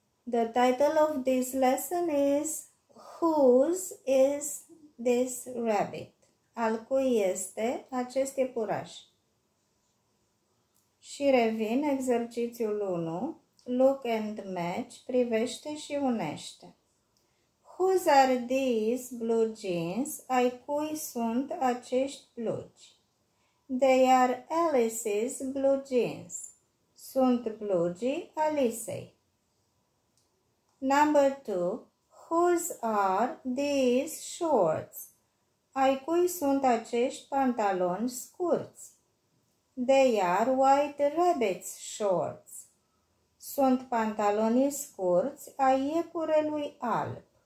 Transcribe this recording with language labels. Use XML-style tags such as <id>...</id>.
<en>The title of this lesson is Whose is this rabbit?</en> <ro>Al cui este acest iepuraș? Și revin exercițiul 1.</ro> <en>Look and match.</en> <ro>Privește și unește.</ro> <en>Whose are these blue jeans?</en> <ro>Ai cui sunt acești blugi?</ro> <en>They are Alice's blue jeans.</en> <ro>Sunt blugii Alicei.</ro> <en>Number 2. Whose are these shorts?</en> <ro>Ai cui sunt acești pantaloni scurți?</ro> <en>They are white rabbit's shorts.</en> <ro>Sunt pantalonii scurți a iepurelui alb.</ro>